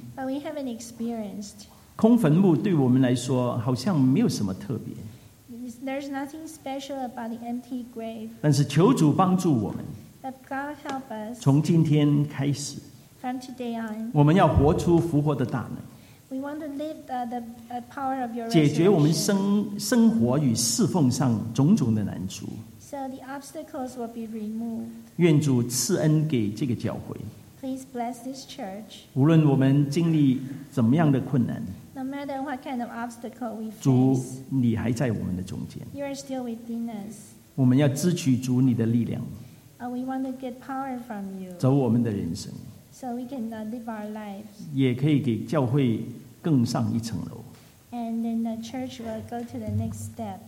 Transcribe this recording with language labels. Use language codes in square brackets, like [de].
[en] But we haven't experienced. [zh] 空坟墓对我们来说好像没有什么特别。 [en] There's nothing special about the empty grave. [zh] 但是求主帮助我们。 [en] Let God help us. [zh] 从今天开始。 [en] From today on. [zh] 我们要活出复活的大能。 [en] We want to live the power of your resurrection. [zh] 解决我们生活与侍奉上种种的难处。 [en] So the obstacles will be removed. [zh] 愿主赐恩给这个教会。 [en] Please bless this church. [zh] 无论我们经历怎么样的困难。 [en] No matter what kind of obstacle we face, [zh] 主，你还在我们的中间。 [en] You are still within us. [zh] 我们要支取主你的力量。 [en] We want to get power from you. [zh] 走我们的人生。 [en] So we can live our lives. [zh] 也可以给教会更上一层楼。 [en] And then the church will go to the next step.